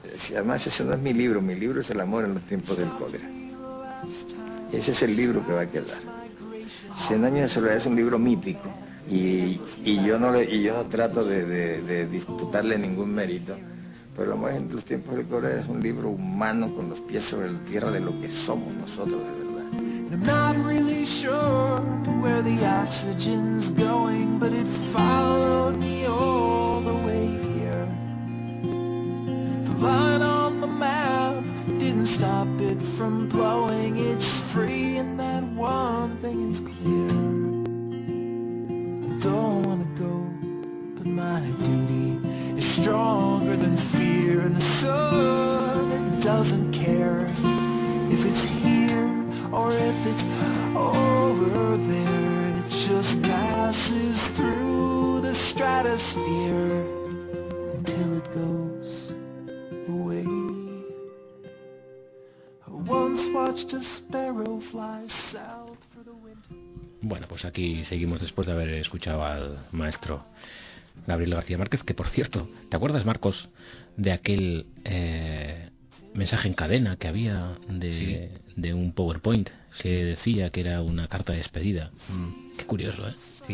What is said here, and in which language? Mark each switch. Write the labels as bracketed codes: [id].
[es] Además, ese no es mi libro es El Amor en los Tiempos del Cólera. Ese es el libro que va a quedar. Cien Años de Soledad es un libro mítico y yo no trato de disputarle ningún mérito, pero El Amor en los Tiempos del Cólera es un libro humano con los pies sobre la tierra de lo que somos nosotros, de verdad. [en] I'm not really sure where the oxygen's going, but it followed me all the way here. The line on the map didn't stop it from blowing. It's free, and that one thing is clear. I don't wanna go, but my duty is stronger than fear, and the sun doesn't care if it's here. Or if it's over there, it just passes through the stratosphere until it goes away. I once watched a sparrow fly south for the winter. [es] Bueno, pues aquí seguimos después de haber escuchado al maestro Gabriel García Márquez, que por cierto, ¿te acuerdas, Marcos, de aquel mensaje en cadena que había de un PowerPoint que decía que era una carta de despedida? Qué curioso, ¿eh? Sí.